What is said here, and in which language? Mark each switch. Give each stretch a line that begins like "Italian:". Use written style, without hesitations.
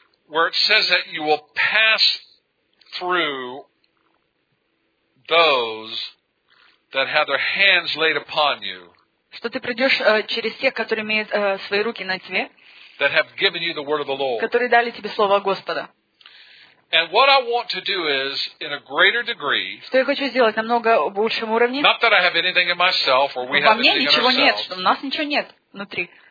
English: Where it says that you will pass through those that have their hands laid upon you.
Russian: Что ты пройдешь через тех, которые имеют свои руки на тебе.
English: That have given you the word of the Lord.
Russian: Которые дали тебе слово Господа.
English: And what I want to do is, in a greater degree.
Russian: Что я хочу сделать на много большем уровне.
English: Not that I have anything in myself, or we have anything in ourselves.
Russian: Во мне ничего нет, что у нас ничего нет внутри.